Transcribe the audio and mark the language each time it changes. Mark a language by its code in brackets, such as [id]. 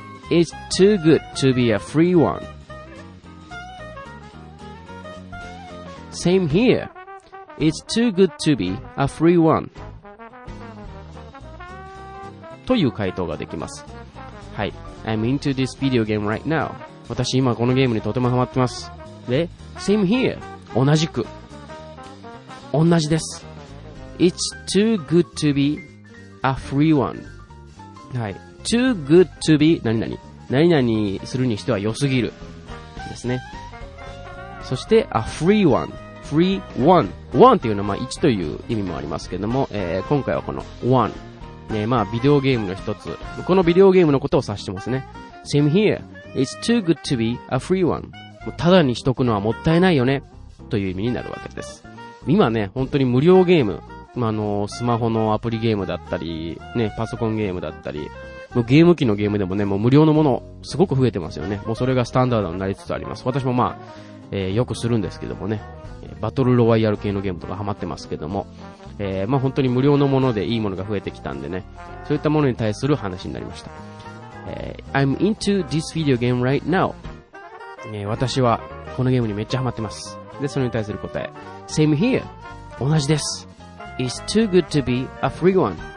[en] It's too good to be a free one. Same here. It's too good to be a free one. [ja] という回答ができます。 [en] はい。I'm into this video game right now. [ja] 私今このゲームにとてもハマってます。で、 [en] same here. [ja] 同じく。同じです。 [en] It's too good to be a free one. はい。too good to be 何々。 [ja] 何々するにしては良すぎる。ですね。そして、 [en] a free one. Free one. [ja] One っていうのは、まあ、1という意味もありますけども、今回はこの one。ね、まあ、ビデオゲームの一つ。このビデオゲームのことを指してますね。 [en] Same here. It's too good to be a free one. [ja] もうただにしとくのはもったいないよね、という意味になるわけです。今ね、本当に無料ゲーム、まあ、スマホのアプリゲームだったり、ね、パソコンゲームだったり、もうゲーム機のゲームでもね、もう無料のもの、すごく増えてますよね。もうそれがスタンダードになりつつあります。私もまあ、よくするんですけどもね、バトルロワイヤル系のゲームとかハマってますけども、まあ本当に無料のものでいいものが増えてきたんでね、そういったものに対する話になりました。 [en] I'm into this video game right now. [ja] 私はこのゲームにめっちゃハマってます。で、それに対する答え。 [en] Same here. [ja] 同じです。 [en] It's too good to be a free one.